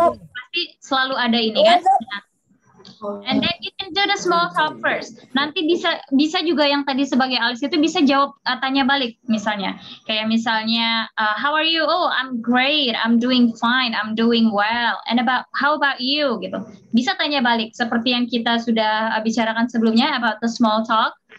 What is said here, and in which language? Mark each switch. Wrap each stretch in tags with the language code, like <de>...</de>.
<id>Pasti selalu ada ini kan.</id> <en>And then you can do the small talk first.</en> <id>Nanti bisa bisa juga yang tadi sebagai Alice itu bisa jawab tanya balik misalnya. Kayak misalnya</id> <en>how are you? Oh, I'm great. I'm doing fine. I'm doing well. And about how about you gitu.</en> <id>Bisa tanya balik seperti yang kita sudah bicarakan sebelumnya</id> <en>about the small talk.</en>